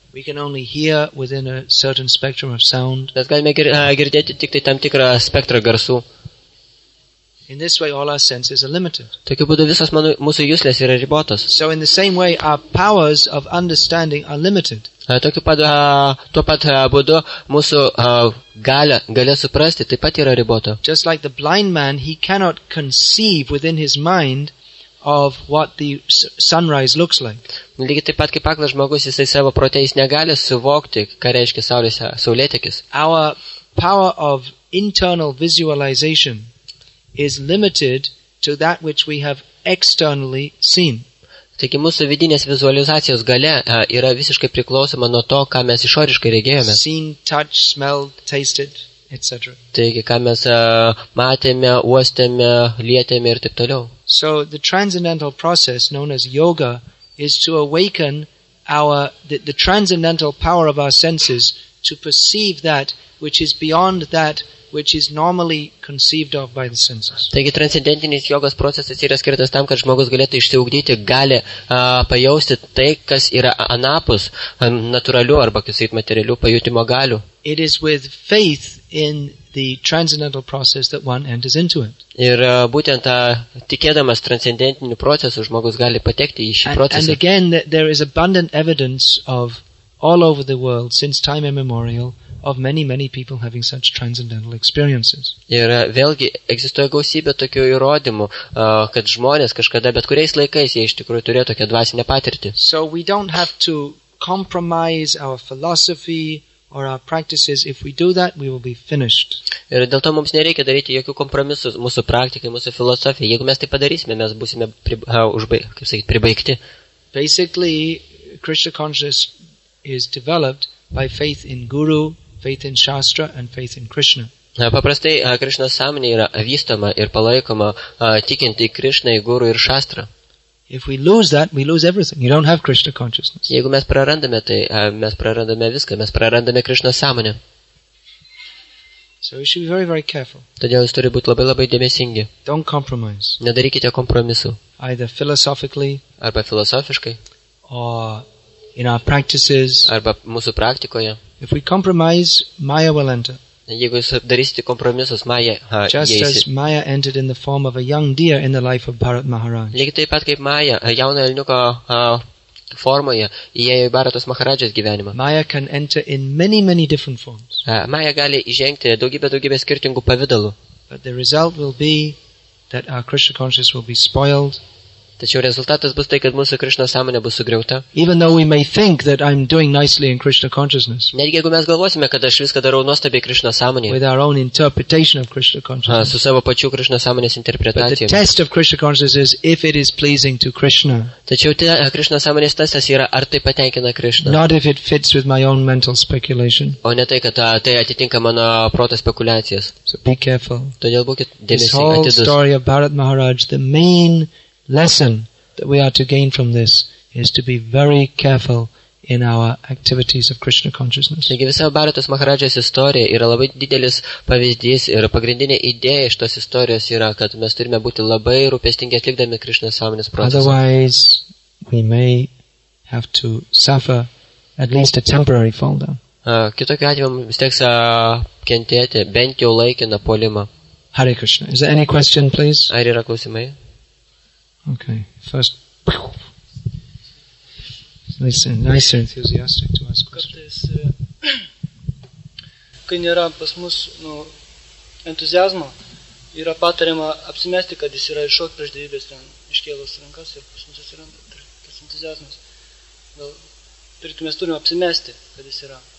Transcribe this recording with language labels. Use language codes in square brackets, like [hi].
[en] We can only hear within a certain spectrum of sound. [lt] Mes galime girdėti tik tai tam tikrą spektrą garsų. [en] In this way all our senses are limited. [lt] Tokiu būdu visos mūsų juslės yra ribotos. [en] So in the same way our powers of understanding are limited. [lt] Tuo pat būdu mūsų galia suprasti taip pat yra ribota. [en] Just like the blind man, he cannot conceive within his mind of what the sunrise looks like. [lt] Lygiai taip pat kaip aklas žmogus, jisai savo prote negali suvokti, ką reiškia saulėtekis. [en] Our power of internal visualization is limited to that which we have externally seen. [lt] Taigi mūsų vidinės vizualizacijos galia yra visiškai priklausoma nuo to, ką mes išoriškai regėjome. [en] Seen, touched, smelled, tasted, etc. [lt] Taigi ką mes matėme, uostėme, lietėme ir taip toliau. [en] So the transcendental process known as yoga is to awaken our the transcendental power of our senses to perceive that which is beyond that which is normally conceived of by the senses. [lt] Taigi transcendentinis jogos procesas yra skirtas tam, kad žmogus galėtų išsiugdyti, gali pajausti tai, kas yra anapus natūralių arba kaip materialių pajutimo galių. [en] It is with faith in the transcendental process that one enters into it. [lt] Ir būtent tikėdamas transcendentiniu procesu žmogus gali patekti į šį procesą. [en] And again there is abundant evidence of all over the world since time immemorial of many, many people having such transcendental experiences. [lt] Ir vėlgi egzistuoja gausybė tokių įrodymų, kad žmonės kažkada, bet kuriais laikais, jie iš tikrųjų turėjo tokią dvasinę patirtį. [en] So we don't have to compromise our philosophy or our practices. If we do that, we will be finished. [lt] Ir dėl to mums nereikia daryti jokių kompromisų mūsų praktikai, mūsų filosofijai. Jeigu mes tai padarysime, mes būsime pribaigti. [en] Basically, Krishna consciousness is developed by faith in Guru, faith in Shastra and faith in Krishna. [lt] Paprastai Krishna sąmonė yra vystoma ir palaikoma tikint į Krishna, į Guru ir Shastra. [en] If we lose that, we lose everything. You don't have Krishna consciousness. [lt] Jeigu mes prarandame tai, mes prarandame viską, mes prarandame Krishna sąmonę. [en] So you should be very, very careful. [lt] Todėl jūs turi būti labai, labai dėmesingi. [en] Don't compromise. [lt] Nedarykite kompromisų. [en] Either philosophically, [lt] arba filosofiškai, [en] or in our practices, [lt] arba mūsų praktikoje. [en] If we compromise, Maya will enter. [lt] Jeigu jūs darysite kompromisus, Maya [en] just as Maya entered in the form of a young deer in the life of Bharat Maharaj. [lt] Lygiai taip pat kaip Maya, jauno elniuko formoje, įėjo į Bharatos Maharadžos gyvenimą. [en] Maya can enter in many, many different forms. [lt] Maya gali įžengti daugybę skirtingų pavidalų. [en] But the result will be that our Krishna consciousness will be spoiled. [lt] Tačiau rezultatas bus tai, kad mūsų Krishna sąmonė bus sugriauta. [en] Even though we may think that I'm doing nicely in Krishna consciousness. [lt] Netgi jeigu mes galvosime, kad aš viską darau nuostabiai Krishna sąmonėje. [en] With our own interpretation of Krishna consciousness. [lt] Su savo pačiu Krishna sąmonės interpretacija. [en] But the test of Krishna consciousness is if it is pleasing to Krishna. [lt] Tačiau Krishna sąmonės testas yra, ar tai patenkina Krishna. [en] Not if it fits with my own mental speculation. [lt] O ne tai, kad tai atitinka mano proto spekuliacijas. [en] So be careful. [lt] Todėl būkit dėmesingi. [en] This whole story of Bharat Maharaj, the main lesson that we are to gain from this is to be very careful in our activities of Krishna consciousness. [lt] Taigi visa Bharatos Maharadžos istorija yra labai didelis pavyzdys ir pagrindinė idėja iš tos istorijos yra, kad mes turime būti labai rūpestingi atlikdami Krishna sąmonės procesą. [en] Otherwise, we may have to suffer at least a temporary fall down. [lt] Kitokiu atveju vis teks kentėti bent jau laikiną puolimą. [en] Hare Krishna. Is there any question, please? [lt] Ar yra klausimai? [en] Okay, first. Listen, nice and enthusiastic to ask questions. [lt] Kai nėra pas mus entuziazmo, Yra patariama apsimesti, kad jis yra iššokt prieš dievybės iškėlus rankas ir pas mus atsiranda tas entuziasmas. Gal mes turime apsimesti, kad jis yra.